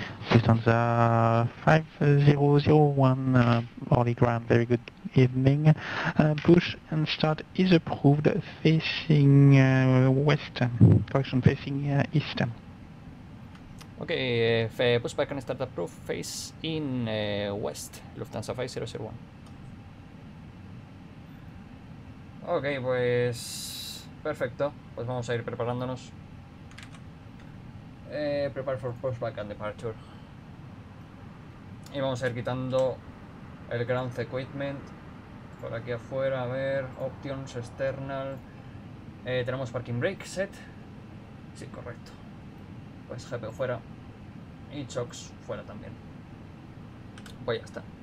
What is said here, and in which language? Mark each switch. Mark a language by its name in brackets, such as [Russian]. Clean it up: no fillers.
[English] Lufthansa 5001, Orly Ground, very good evening. Push and start is approved facing western, correction, facing eastern. Ok, pushback and start approved facing west, Lufthansa 5001. [Spanish] Ok, pues perfecto, pues vamos a ir preparándonos. [English] Prepare for pushback and departure. [Spanish] Y vamos a ir quitando el ground equipment por aquí afuera. A ver, options external. Tenemos parking brake set. Sí, correcto. Pues GPU fuera y chocks fuera también. Pues ya está.